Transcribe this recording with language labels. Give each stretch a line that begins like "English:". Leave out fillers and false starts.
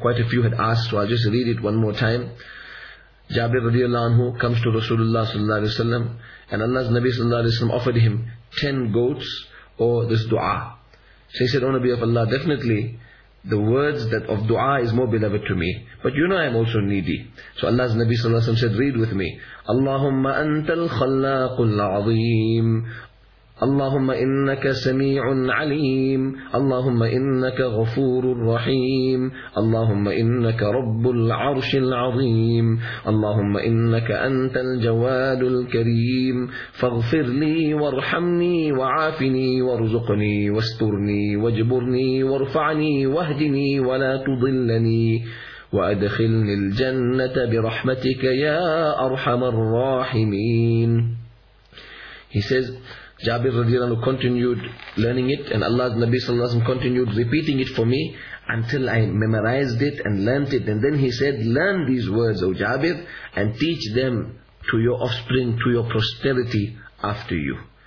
English: Quite a few had asked, so I'll just read it one more time. Jabir radiallahu anhu comes to Rasulullah sallallahu alayhi wa sallam, and Allah's Nabi sallallahu alayhi wa sallam offered him 10 goats or this dua. So he said, O Nabi of Allah, definitely the words that of dua is more beloved to me. But you know I am also needy. So Allah's Nabi sallallahu alayhi wa sallam said, read with me.
Arabic: Allahumma antal khallaqul azim. اللهم إنك سميع عليم، اللهم إنك غفور رحيم، اللهم إنك رب العرش العظيم، اللهم إنك أنت الجواد الكريم، فاغفر لي وارحمني وعافني وارزقني واسترني واجبرني وارفعني واهدني ولا تضلني وأدخلني الجنة برحمتك يا أرحم الراحمين.
English: He says, Jabir radiallahu anhu continued learning it, and Allah's Nabi sallallahu alayhi wa sallam continued repeating it for me until I memorized it and learnt it. And then he said, learn these words, O Jabir, and teach them to your offspring, to your posterity after you.